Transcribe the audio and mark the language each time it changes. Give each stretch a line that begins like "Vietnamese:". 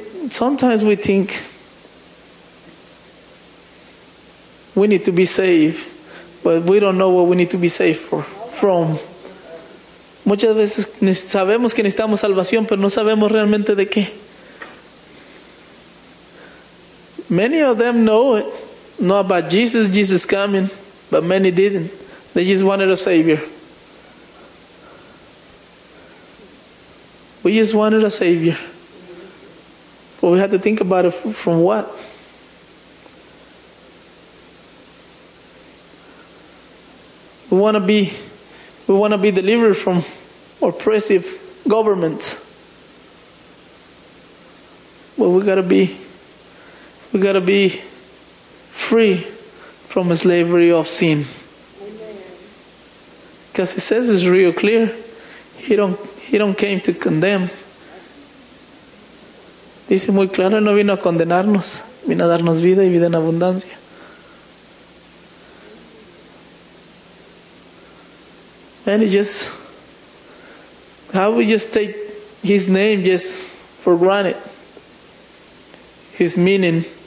English: Sometimes we think we need to be saved, but we don't know what we need to be saved from.
Spanish: Muchas veces sabemos que necesitamos salvación, pero no sabemos realmente de qué.
English: Many of them know it. Not about Jesus coming, but many didn't. They just wanted a Savior. We just wanted a Savior. But we had to think about it from what? We want to be delivered from oppressive governments. But we got to be free from the slavery of sin. Because He says it's real clear. He don't came to condemn.
Spanish: Dice muy claro, no vino a condenarnos. Vino a darnos vida y vida en abundancia.
English: And it just, how we just take His name just for granted. His meaning.